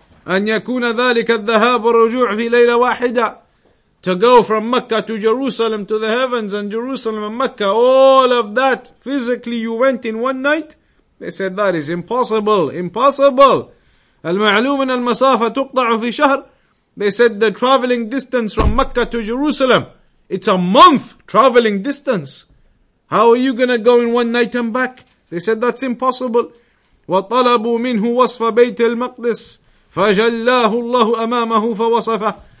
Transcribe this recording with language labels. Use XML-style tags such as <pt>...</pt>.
<ar>أن يكون ذلك الذهاب والرجوع في ليلة واحدة.</ar> <en>To go from Mecca to Jerusalem to the heavens and Jerusalem and Mecca. All of that physically you went in one night. They said that is impossible. Impossible.</en> <ar>المعلوم أن المسافة تقطع في شهر.</ar> <en>They said the traveling distance from Mecca to Jerusalem. It's a month traveling distance. How are you going to go in one night and back? They said, that's impossible.</en> <ar>وَطَلَبُوا مِنْهُ وَصْفَ بَيْتِ الْمَقْدِسِ فَجَلَّاهُ اللَّهُ أَمَامَهُ فَوَصَفَهُ.</ar>